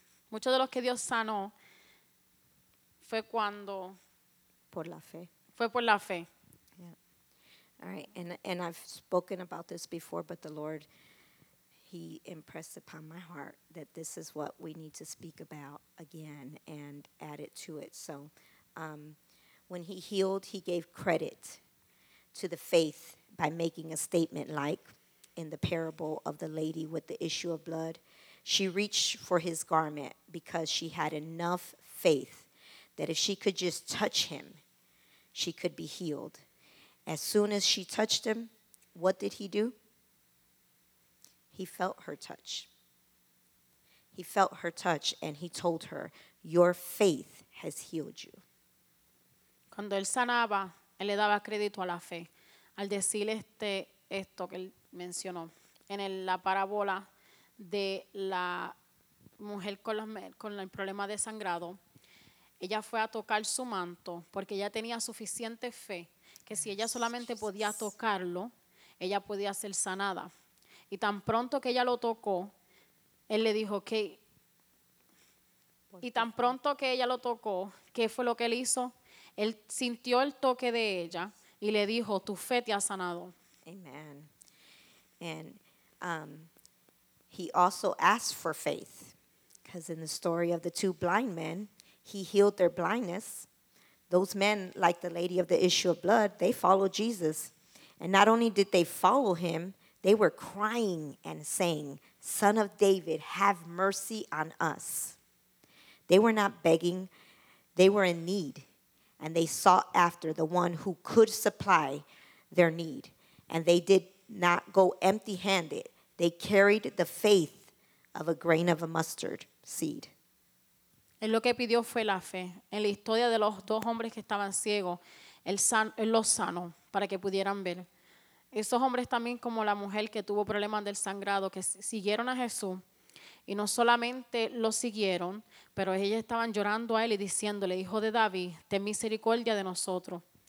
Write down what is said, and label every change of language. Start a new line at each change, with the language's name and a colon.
Spanish: Muchos de los que Dios sanó fue cuando por la fe. Fue por la fe.
English: Yeah. All right, and I've spoken about this before, but the Lord, he impressed upon my heart that this is what we need to speak about again and add it to it. So when he healed, he gave credit to the faith by making a statement like in the parable of the lady with the issue of blood. She reached for his garment because she had enough faith that if she could just touch him, she could be healed. As soon as she touched him, what did he do? He felt her touch. He felt her touch, and he told her, "Your faith has healed you."
Spanish: Cuando él sanaba, él le daba crédito a la fe. Al decir esto que él mencionó en la parábola de la mujer con el problema de sangrado, ella fue a tocar su manto porque ella tenía suficiente fe que si ella solamente podía tocarlo, ella podía ser sanada. Y tan pronto que ella lo tocó, él le dijo que... Y tan pronto que ella lo tocó, ¿qué fue lo que él hizo? Él sintió el toque de ella y le dijo, tu fe te ha sanado.
English: Amen. And he also asked for faith, because in the story of the two blind men, he healed their blindness. Those men, like the lady of the issue of blood, they followed Jesus. And not only did they follow him, they were crying and saying, Son of David, have mercy on us. They were not begging. They were in need. And they sought after the one who could supply their need. And they did not go empty-handed. They carried the faith of a grain of a mustard seed.
Spanish: Él lo que pidió fue la fe. En la historia de los dos hombres que estaban ciegos, él los sanó para que pudieran ver. Esos hombres también, como la mujer que tuvo problemas del sangrado, que siguieron a Jesús, y no solamente lo siguieron, pero ellas estaban llorando a él y diciéndole, Hijo de David, ten misericordia de nosotros.